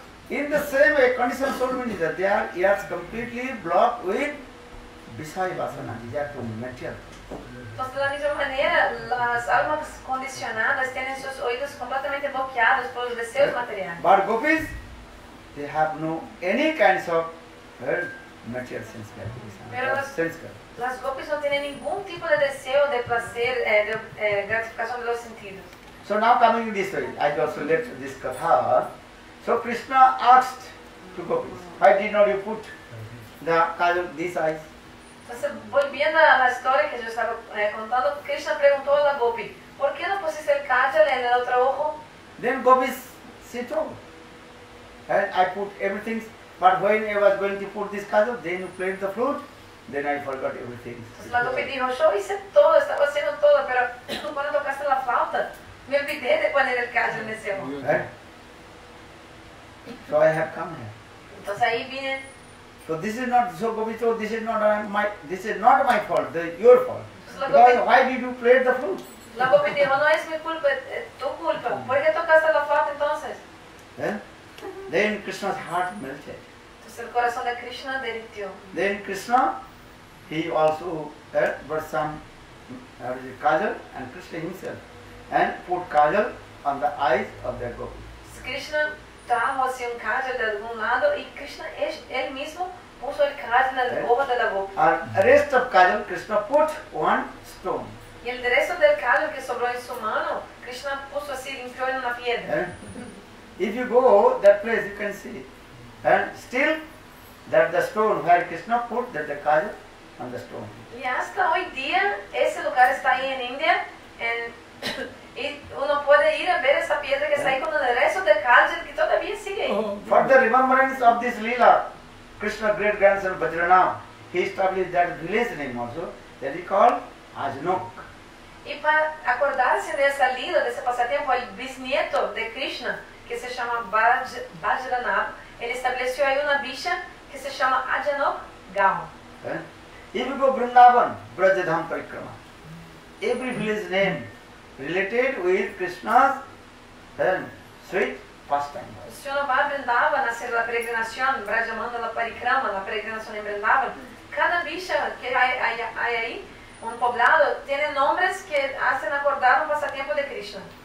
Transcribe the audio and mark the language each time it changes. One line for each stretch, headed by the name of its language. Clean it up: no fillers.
English: In the same way, conditioned soul means that their ears completely blocked with Vishaya Vasana, desire to material.
Spanish: Entonces, de la misma manera, las almas condicionadas tienen sus oídos completamente bloqueados por los deseos materiales.
English: But gopis, they have no any kinds of material sense gratification.
Spanish: Las gopis no tienen ningún tipo de deseo de placer, de gratificación de los sentidos.
English: So now coming this way, I also left this katha. So Krishna asked to gopis, why did not you put the kajal, these eyes?
Spanish: Entonces, volviendo a la historia que yo estaba contando, Krishna preguntó a la Gopi, ¿por qué no pusiste el kajal en el otro ojo?
English: Then Gopi said, oh, and I put everything, but when I was going to put this kajal, then you played the flute, then I forgot everything.
Spanish: Entonces la Gopi dijo, yo hice todo, estaba haciendo todo, pero tú cuando tocaste la flauta, me olvidé de poner el kajal en ese ojo.
English: So I have come here.
Spanish: Entonces ahí vine.
English: So this is not, so Gopi told, this is not my fault, this is your fault. Because why did you play the flute?
Spanish: La Gopi dijo, no es mi culpa, es tu culpa. ¿Por qué tocaste la flauta entonces?
English: Then Krishna's heart melted.
Spanish: Entonces el corazón de Krishna derritió.
English: Then Krishna, he also brought some kajal and Krishna himself and put kajal on the eyes of the Gopi.
Spanish: Krishna trajo así un kajal de algún lado y Krishna él mismo puso el kajal en el ojo de la Gopi.
English: And rest of kajal, Krishna put one stone.
Spanish: Y el resto del kajal que sobró en su mano, Krishna puso así, limpió en una piedra.
English: If you go that place, you can see. And still, that the stone where Krishna put that the kajal on the stone.
Spanish: Y hasta hoy día, ese lugar está ahí en India. Y uno puede ir a ver esa piedra que está ahí con el resto del kajal que todavía sigue.
English: For the remembrance of this Leela, Krishna's great grandson Vajrana, he established that village name also, that he called Ajnok.
Spanish: Y para acordarse de esa Leela, de ese pasatiempo, el bisnieto de Krishna, que se llama Vajrana, él estableció ahí una villa que se llama Ajnok Gao.
English: If you go Vrindavan, Brajadham Parikrama, every village name related with Krishna's sweet pastime.
Spanish: Si uno va a Vrindavan a hacer la peregrinación, Brajamanda la Parikrama, la peregrinación en Vrindavan, cada bicha que hay ahí, un poblado, tiene nombres que hacen acordar un pasatiempo de Krishna.